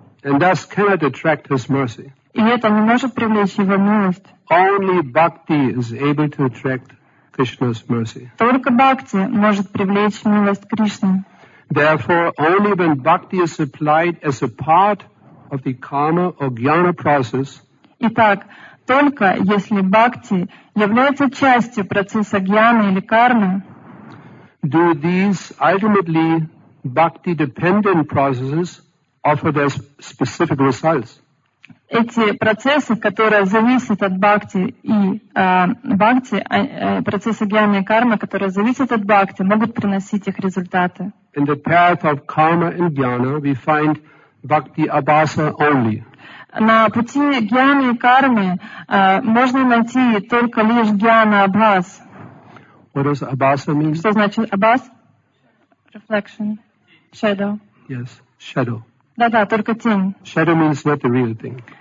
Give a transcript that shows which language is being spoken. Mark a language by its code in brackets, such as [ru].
[en] And thus cannot attract his mercy. [ru] И это не может привлечь Его милость. [en] Only bhakti is able to attract Krishna's mercy. [ru] Только бхакти может привлечь милость Кришны. [en] Therefore, only when bhakti is applied as a part of the karma or jnana process. [ru] Итак, только если бхакти является частью процесса гьяны или кармы, [en] do these ultimately bhakti-dependent processes offer their specific results? [ru] Эти процессы, которые зависят от бхакти и бхакти, процессы гьяны и кармы, которые зависят от бхакти, могут приносить их результаты. [en] In the path of karma and jnana, we find bhakti abhasa only. [ru] На пути гьяны и кармы можно найти только лишь гьяна абхас. [en] What does abhasa mean? [ru] Что значит абхас? [en] Reflection. Shadow. Yes, shadow. [ru] Да-да, только тень. [en] Shadow means not the real thing.